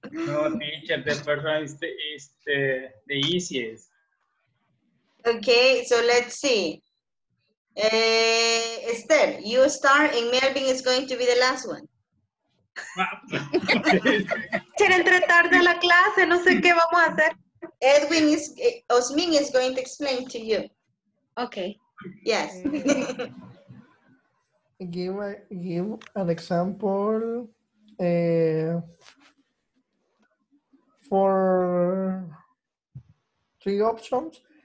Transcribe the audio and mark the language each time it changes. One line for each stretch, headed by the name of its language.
English: No, teacher, the first one is the easiest. Okay, so let's see. Esther, you start, and Melvin is going to be the last one. Wow.
Spanish: Entre tarde la clase, no sé qué vamos a hacer.
English: Edwin is, Osmin is going to explain to you. Okay. Yes. give an example for three options.